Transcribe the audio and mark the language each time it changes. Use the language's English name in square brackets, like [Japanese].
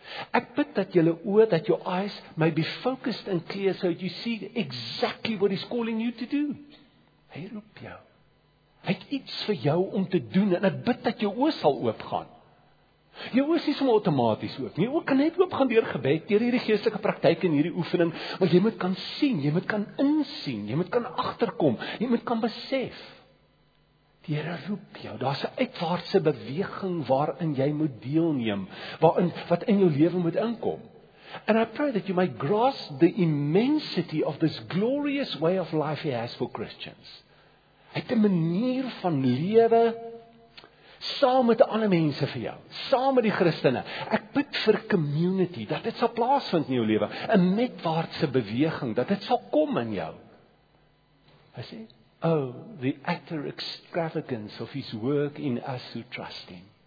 [Afrikaans] Ek bid dat julle oë, dat [English] your eyes may be focused and clear, so that you see exactly what he's calling you to do. [Afrikaans] Hy roep jou. Hy het iets vir jou om te doen, en ek bid dat jou oë sal oopgaan. Jou oë is nie sommer outomaties oop nie, ook kan net oopgaan deur gebed, deur hierdie geestelike praktyk en hierdie oefening, maar jy moet kan sien, jy moet kan insien, jy moet kan agterkom, jy moet kan besef. Die Here roep jou, daar's 'n uitwaartse beweging waarin jy moet deelneem, waarin wat in jou lewe moet inkom. [English] And I pray that you might grasp the immensity of this glorious way of life he has for Christians. [Afrikaans] Hy het 'n manier van lewe saam met alle mense vir jou, saam met die Christene. Ek bid vir community, dat dit sal plaasvind in jou lewe, 'n netwaartse beweging, dat dit sal kom in jou. Hy sê, [English] oh, the utter extravagance of his work in us who trust him.